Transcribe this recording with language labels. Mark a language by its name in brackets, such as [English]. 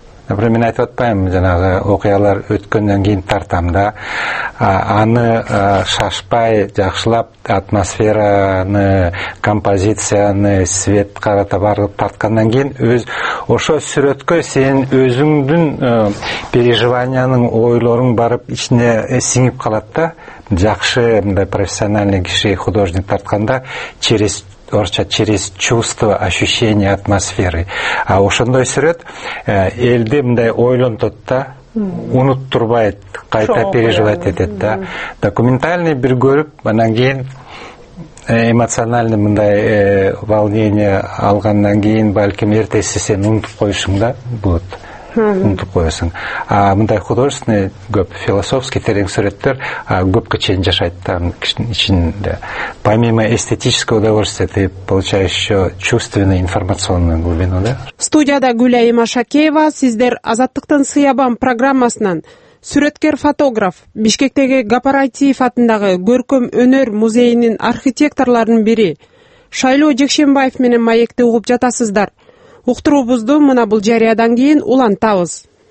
[Kyrgyz] Например, мен айтып атпаймын, жанагы окуялар өткөндөн кийин тартам да, аны шашпай жакшылап атмосфераны, композицияны, свет карата барып тарткандан кийин өз ошо сүрөткө сен өзүңдүн переживаниянын, ойлоруң барып ичине сиңип калат да. Жакшы мындай профессиональный киши художник тартканда через орусча [Russian] через чувство, ощущение атмосферы. [Kyrgyz] А ошондой сүрөт элди мындай ойлонтот да, унуттурбайт, кайта переживать этет да. Документальный бир көрүп анан кийин эмоциональный мындай волнение алгандан кийин балким эртеси сен унутуп коюшуң да [Russian] будут. [Kyrgyz] Унутуп коесуң. А мындай художественный көп философский терең сүрөттөр көпкө чейин жашайт да кишинин ичинде. [Russian] Помимо эстетического удовольствия ты получаешь еще чувственную информационную глубину, да? [Kyrgyz] Студияда Гүлайма Шакеева, сиздер Азаттыктын сыябан программасынан сүрөткер-фотограф, Бишкектеги Гапарайтиев атындагы көркөм өнөр музейинин архитекторлорунун бири Шайлоо Жекшенбаев менен маекти угуп жатасыздар. Уктуруубузду мына бул жарыядан кийин улантабыз.